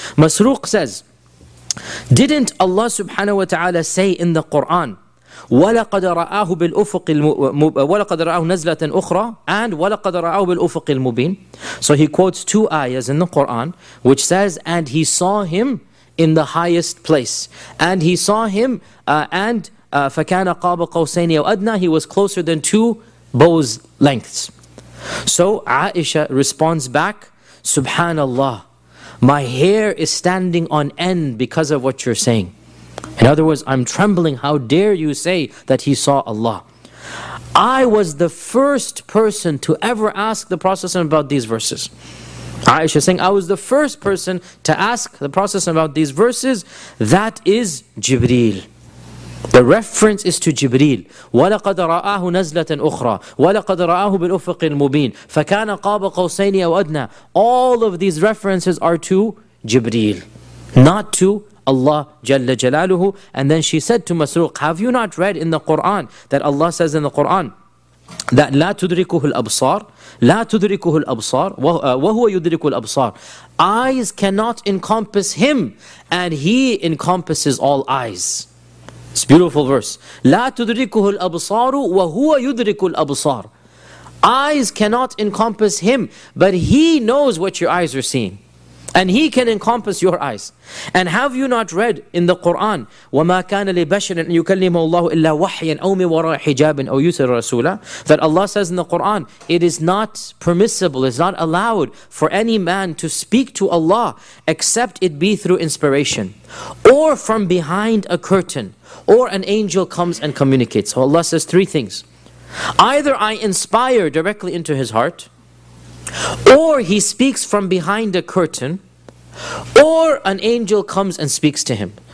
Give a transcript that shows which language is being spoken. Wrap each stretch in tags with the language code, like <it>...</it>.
<en>Masruq says, didn't Allah subhanahu wa ta'ala say in the Quran,</en> <ar>وَلَقَدْ رَآهُ بِالْأُفُقِ الْمُبِينَ وَلَقَدْ رَآهُ نَزْلَةً أُخْرَى and وَلَقَدْ رَآهُ بِالْأُفُقِ الْمُبِينَ.</ar> <en>So he quotes two ayahs in the Quran, which says, and he saw him in the highest place. And he saw him,</en> <ar>فَكَانَ قَابَ قَوْسَيْنِ أَوْ أَدْنَى.</ar> <en>He was closer than two bow's lengths. So Aisha responds back, Subhanallah, my hair is standing on end because of what you're saying. In other words, I'm trembling. How dare you say that he saw Allah? I was the first person to ever ask the Prophet about these verses. Aisha is saying, I was the first person to ask the Prophet about these verses. That is Jibreel. The reference is to Jibreel.</en> <ar>وَلَقَدْ رَآهُ نَزْلَةً أُخْرَى وَلَقَدْ رَآهُ بِالْأُفَقِ الْمُبِينَ فَكَانَ قَابَ قَوْسَيْنِ أَوْ أَدْنَى.</ar> <en>All of these references are to Jibreel, not to Allah Jalla Jalaluhu. And then she said to Masruq, have you not read in the Quran that Allah says in the Quran that</en> <ar>لا تدركه الأبصار لا تدركه الأبصار وهو يدرك الأبصار.</ar> <en>Eyes cannot encompass him and he encompasses all eyes. It's a beautiful verse.</en> <ar>لا تدركه الأبصار وهو يدرك الأبصار.</ar> <en>Eyes cannot encompass him, but he knows what your eyes are seeing. And he can encompass your eyes. And have you not read in the Quran,</en> <ar>وَمَا كَانَ لِبَشْرٍ أَن يُكَلِّمَهُ اللَّهُ إِلَّا وَحْيًا أَوْ مِنْ وَرَاءِ حِجَابٍ أَوْ يُرْسِلَ رَسُولًا.</ar> <en>That Allah says in the Quran, it is not permissible, it's not allowed for any man to speak to Allah except it be through inspiration or from behind a curtain or an angel comes and communicates. So Allah says three things. Either I inspire directly into his heart, or he speaks from behind a curtain, or an angel comes and speaks to him.</en>